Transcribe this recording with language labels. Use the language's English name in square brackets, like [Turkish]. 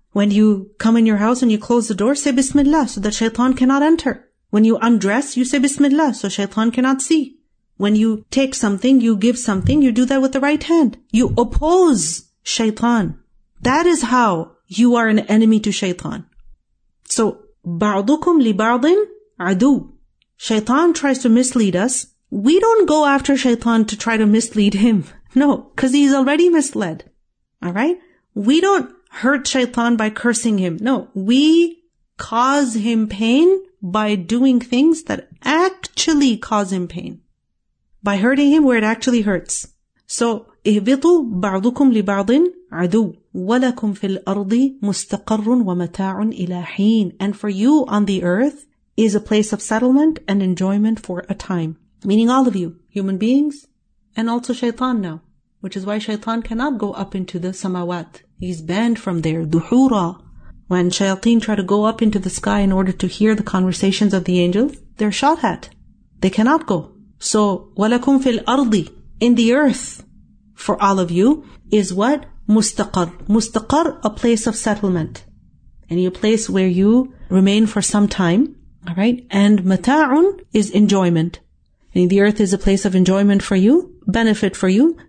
[English] When you come in your house and you close the door, say Bismillah so that shaitan cannot enter. When you undress, you say Bismillah so shaitan cannot see. When you take something, you give something, you do that with the right hand. You oppose shaitan. That is how you are an enemy to shaitan. [Arabic] So, بَعْضُكُمْ لِبَعْضٍ عَدُوٌ. [English] Shaitan tries to mislead us. We don't go after shaitan to try to mislead him. No, because he's already misled. All right? We don't hurt shaitan by cursing him. No, we cause him pain by doing things that actually cause him pain. By hurting him where it actually hurts. [Arabic] So, اِهْبِطُوا بَعْضُكُمْ لِبَعْضٍ عَدُوٌ. وَلَكُمْ فِي الْأَرْضِ مُسْتَقَرٌ وَمَتَاعٌ إِلَى حِينٍ. [English] And for you on the earth is a place of settlement and enjoyment for a time. Meaning all of you, human beings, and also shaitan now. Which is why shaitan cannot go up into the samawat. He's banned from there. Duhura. When shayateen try to go up into the sky in order to hear the conversations of the angels, they're shot at. They cannot go. [Arabic] So, وَلَكُمْ فِي الْأَرْضِ. [English] In the earth, for all of you, is what? Mustaqar. Mustaqar, a place of settlement. Any place where you remain for some time. All right. And mata'un is enjoyment. And the earth is a place of enjoyment for you, benefit for you.